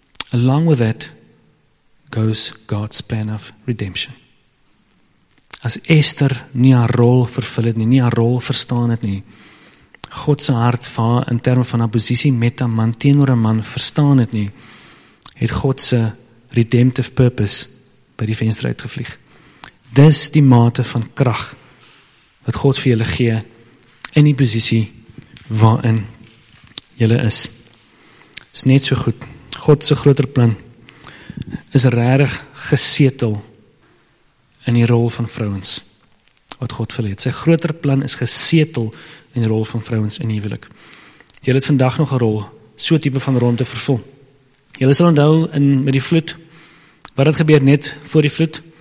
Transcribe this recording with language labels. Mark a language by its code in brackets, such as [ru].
[en] Along with that goes God's plan of redemption. [af] As Esther nie haar rol vervul het nie, nie haar rol verstaan het nie, God se hart van in terme van 'n posisie met 'n man teenoor 'n man verstaan het nie, het God se redemptive purpose by die venster uitgevlieg. Dis die mate van krag wat God vir julle gee in die posisie waarin julle is. Is net so goed. God se groter plan is regtig gesetel in die rol van vrouens wat God vir het. Sy groter plan is gesetel in die rol van vrouens in huwelik. Julle het vandag nog 'n rol, so tipe van rol te vervul. Julle sal onthou in met die vloed, wat het gebeur net voor die vloed?